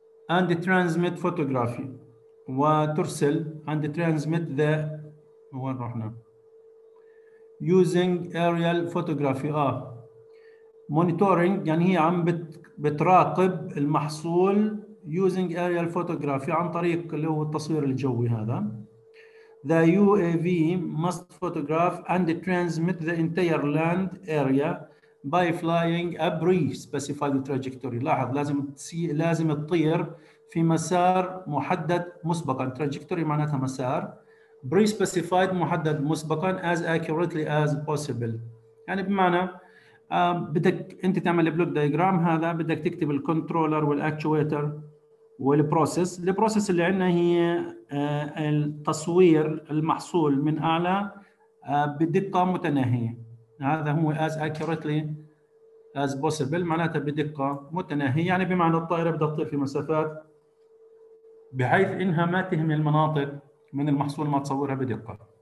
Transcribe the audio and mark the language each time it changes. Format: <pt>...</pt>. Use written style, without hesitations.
<en>and transmit photography</en> <ar>وترسل</ar> <en>and transmit the</en> <ar>وين رحنا</ar> <en>using aerial photography monitoring،</en> <ar>يعني هي عم بتراقب المحصول</ar> <en>using aerial photography</en> <ar>عن طريق اللي هو التصوير الجوي هذا.</ar> <en>The UAV must photograph and transmit the entire land area by flying a pre-specified trajectory.</en> <ar>لاحظ لازم تطير في مسار محدد مسبقا. trajectory معناتها مسار.</ar> <en>pre-specified</en> <ar>محدد مسبقا</ar> <en>as accurately as possible.</en> <ar>يعني بمعنى بدك انت تعمل البلوك دايجرام هذا، بدك تكتب الكنترولر والاكتويتر والبروسيس. البروسيس اللي عندنا هي التصوير المحصول من اعلى بدقه متناهيه، هذا هو</ar> <en>as accurately as possible</en> <ar>معناتها بدقه متناهيه، يعني بمعنى الطائره بدها تطير في مسافات بحيث انها ما تهمل المناطق من المحصول ما تصورها بدقه.</ar>